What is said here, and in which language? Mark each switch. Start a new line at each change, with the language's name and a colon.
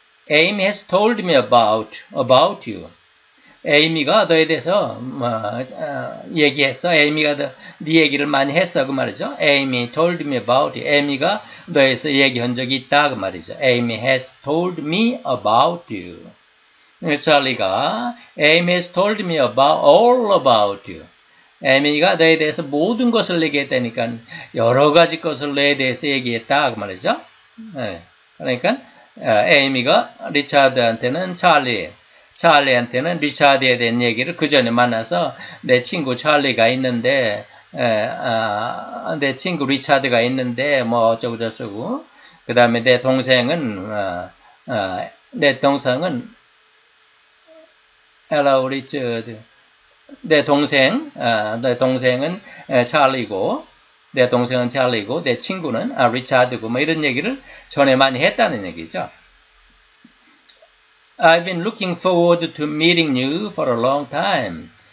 English: Amy has told me about you.
Korean: 에이미가 너에 대해서 얘기했어. 에이미가 네 얘기를 많이 했어 그 말이죠.
English: Amy told me about you.
Korean: 에이미가 너에서 얘기한 적이 있다 그 말이죠.
English: Amy has told me about you. 찰리가 Amy has told me all about you.
Korean: 에미가 너에 대해서 모든 것을 얘기했다니까 여러 가지 것을 너에 대해서 얘기했다 그 말이죠. 네. 그러니까 에미가 리차드한테는 찰리한테는 리차드에 대한 얘기를 그 전에 만나서 내 친구 찰리가 있는데 내 친구 리차드가 있는데 뭐 어쩌고 저쩌고 그 다음에 내 동생은 내 동생은 헬로 리차드 내 동생 내 동생은 찰리고 내 동생은 찰리고 내 친구는 리차드고 뭐 이런 얘기를 전에 많이 했다는 얘기죠.
English: I've been looking forward to meeting you for a long time.